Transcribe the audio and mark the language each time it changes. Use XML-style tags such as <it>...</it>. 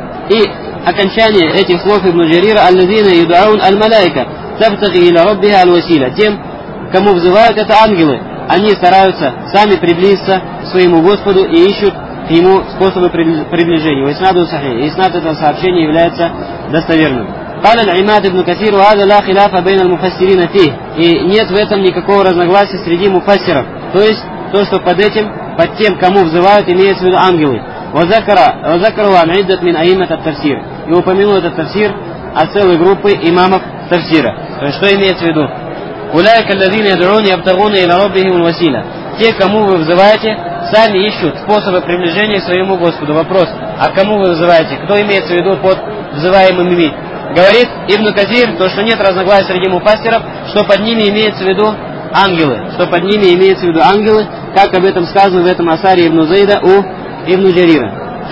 <ru>И окончание этих слов Ибн Джарира «Ал-ладзина юдаун аль-малайка табтаги иля раббиха аль-васила». Тем, кому взывают, это ангелы. Они стараются сами приблизиться к своему Господу и ищут ему способы приближения. Уиснаду сахи. Иснад этого сообщения является достоверным.</ru> <ar>قال العماد بن كثير هذا لا خلاف بين المفسرين فيه.</ar> <ru>И нет в этом никакого разногласия среди муфассиров. То есть то, что под этим, под тем, кому взывают, имеется в виду ангелы.</ru> <ar>وذكروا عن عدة من أئمة التفسير.</ar> <ru>И упомянул этот тафсир о целой группе имамов тафсира. То есть что имеется в виду?</ru> <ar>أولئك الذين يدعون يبتغون إلى ربهم الوسيلة.</ar> <ru>Те, кому вы взываете, сами ищут способы приближения к своему Господу. Вопрос: а кому вы взываете? Кто имеется в виду под взываемыми? Говорит Ибн Казир, то, что нет разногласий среди муфассиров, что под ними имеется в виду ангелы. Что под ними имеется в виду ангелы, как об этом сказано в этом Асаре Ибн Зайда у Ибн Джарира.</ru>